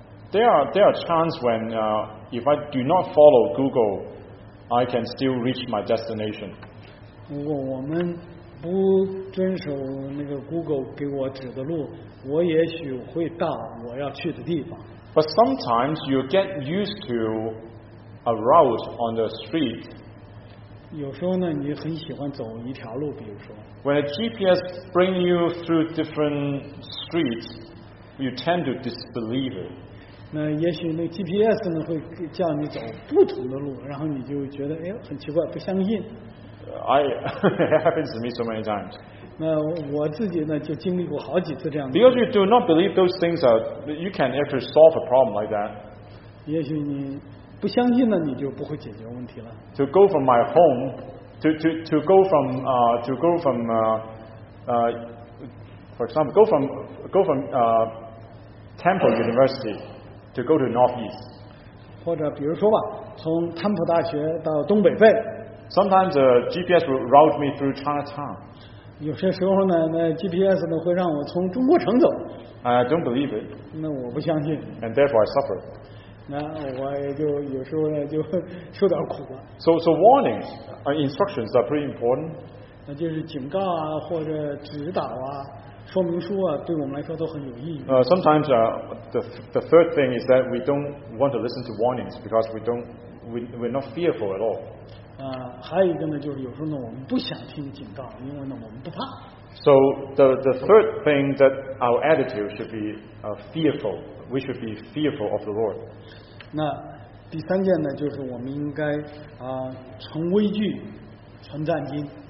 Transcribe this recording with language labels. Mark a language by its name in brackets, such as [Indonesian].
[English] There are chances when if I do not follow Google. I can still reach my destination. [Chinese] 如果我们不遵守那个 Google 给我指的路，我也许会到我要去的地方。 [English] But sometimes you get used to a route on the street. [Chinese] 有时候呢，你很喜欢走一条路，比如说。 [English] When a GPS bring you through different streets, you tend to disbelieve it. [Chinese] 那也许那 GPS 呢会叫你走不同的路，然后你就觉得哎很奇怪，不相信。 [English] It happens to me so many times. [Chinese] 那我自己呢就经历过好几次这样的。 [English] Because you do not believe those things are, you can actually solve a problem like that. [Chinese] 也许你不相信呢，你就不会解决问题了。 [English] To go from my home, to go from Temple University. To go to Northeast. [Chinese] 或者比如说吧，从坦普大学到东北贝。 [English] Sometimes the GPS will route me through Chinatown. [Chinese] 有些时候呢，那 GPS 呢会让我从中国城走。 [English] I don't believe it. [Chinese] 那我不相信。 [English] And therefore I suffer. [Chinese] 那我也就有时候呢就受点苦了。 [English] So warnings, instructions are pretty important. [Chinese] 那就是警告啊，或者指导啊。说明书啊，对我们来说都很有意义。 [English] Sometimes the third thing is that we don't want to listen to warnings because we're not fearful at all. [Chinese] 还有一个呢，就是有时候呢，我们不想听警告，因为呢，我们不怕。 [English] So the third thing that our attitude should be fearful. We should be fearful of the Lord. [Chinese] 那第三件呢，就是我们应该成畏惧，存战兢。